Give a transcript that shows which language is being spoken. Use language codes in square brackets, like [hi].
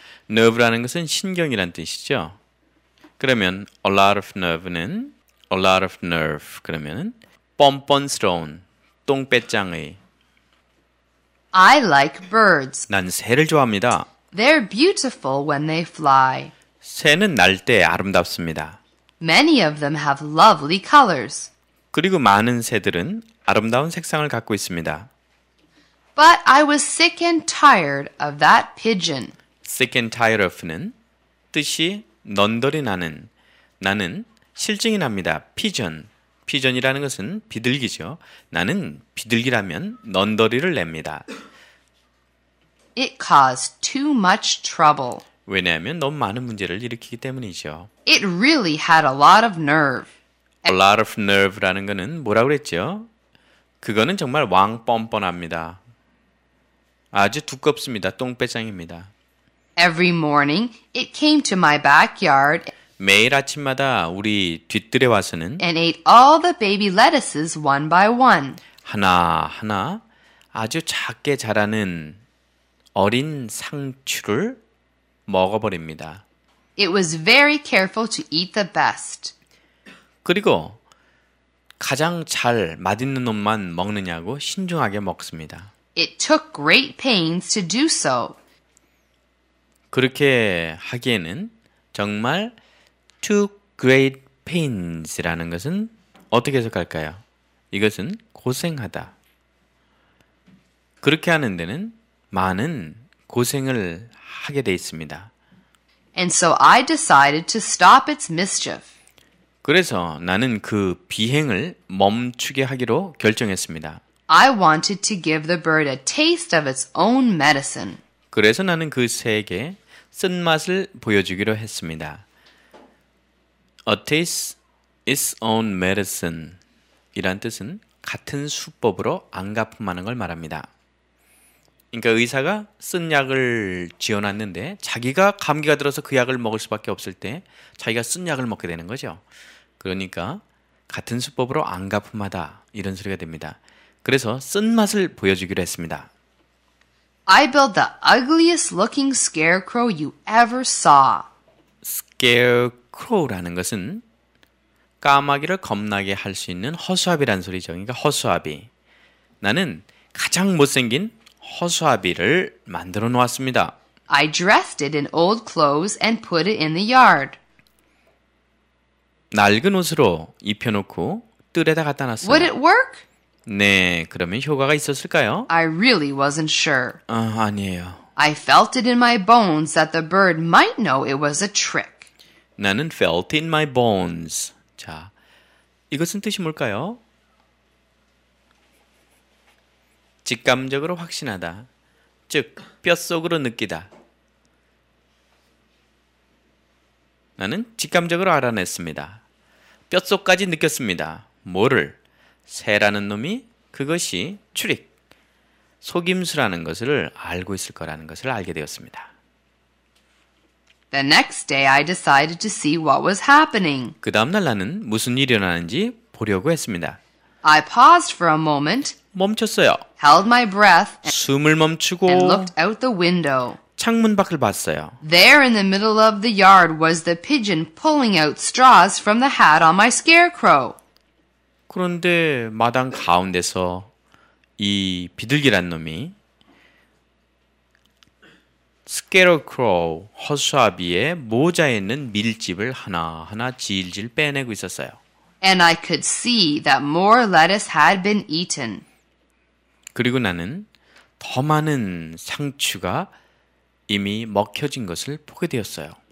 [ko] Nerve라는 것은 신경이란 뜻이죠. 그러면 a lot of nerve는 a lot of nerve. 그러면 뻔뻔스러운, 똥배짱의. [en] I like birds. [ko] 난 새를 좋아합니다. [en] They're beautiful when they fly. [ko] 새는 날 때 아름답습니다. [en] Many of them have lovely colors. [ko] 그리고 많은 새들은 아름다운 색상을 갖고 있습니다. [en] But I was sick and tired of that pigeon. [ko] Sick and tired of는 뜻이 넌더리 나는, 나는 실증이 납니다. Pigeon, pigeon이라는 것은 비둘기죠. 나는 비둘기라면 넌더리를 냅니다. [en] It caused too much trouble. [ko] 왜냐하면 너무 많은 문제를 일으키기 때문이죠. [en] It really had a lot of nerve. [ko] A lot of nerve라는 것은 뭐라고 그랬죠? 그거는 정말 왕 뻔뻔합니다. 아주 두껍습니다. 똥배짱입니다. [en] Every morning it came to my backyard. [ko] 매일 아침마다 우리 뒤뜰에 와서는 [en] and ate all the baby lettuces one by one. [ko] 하나하나 아주 작게 자라는 어린 상추를 먹어버립니다. [en] It was very careful to eat the best. [ko] 그리고 가장 잘 맛있는 놈만 먹느냐고 신중하게 먹습니다. [en] It took great pains to do so. [ko] 그렇게 하기에는 정말 took great pains라는 것은 어떻게 해석할까요? 이것은 고생하다. 그렇게 하는 데는 많은 고생을 하게 돼 있습니다. [en] And so I decided to stop its mischief. [ko] 그래서 나는 그 비행을 멈추게 하기로 결정했습니다. [en] I wanted to give the bird a taste of its own medicine. [ko] 그래서 나는 그 새에게 쓴맛을 보여주기로 했습니다. A taste its own medicine 이란 뜻은 같은 수법으로 안 갚음하는 걸 말합니다. 그러니까 의사가 쓴 약을 지어놨는데 자기가 감기가 들어서 그 약을 먹을 수밖에 없을 때 자기가 쓴 약을 먹게 되는 거죠. 그러니까 같은 수법으로 안 갚음하다 이런 소리가 됩니다. 그래서 쓴 맛을 보여주기로 했습니다. [en] I built the ugliest looking scarecrow you ever saw. [ko] Scarecrow라는 것은 까마귀를 겁나게 할 수 있는 허수아비라는 소리죠. 그러니까 허수아비. 나는 가장 못생긴 허수아비를 만들어 놓았습니다. [en] I dressed it in old clothes and put it in the yard. [ko] 낡은 옷으로 입혀놓고 뜰에다 갖다 놨어요. [en] Would it work? [ko] 네, 그러면 효과가 있었을까요? [en] I really wasn't sure. [ko] 아니에요. [en] I felt it in my bones that the bird might know it was a trick. [ko] 나는 felt in my bones. 자, 이것은 뜻이 뭘까요? 직감적으로 확신하다. 즉, 뼛속으로 느끼다. 나는 직감적으로 알아냈습니다. 뼛속까지 느꼈습니다. 뭐를? 새라는 놈이 그것이 트릭, 속임수라는 것을 알고 있을 거라는 것을 알게 되었습니다. [en] The next day I decided to see what was happening. [ko] 그 다음날 나는 무슨 일이 일어나는지 보려고 했습니다. [en] I paused for a moment. [ko] 멈췄어요. [en] Held my breath. [ko] 숨을 멈추고 [en] and looked out the window. [ko] 창문 밖을 봤어요. [en] There in the middle of the yard was the pigeon pulling out straws from the hat on my scarecrow. [ko] 그런데 마당 가운데서 이 비둘기란 놈이 scarecrow 허수아비의 모자에 있는 밀집을 하나하나 질질 빼내고 있었어요. [en] And I could see that more lettuce had been eaten. [ko] 그리고 나는 더 많은 상추가 이미 먹혀진 것을 보게 되었어요.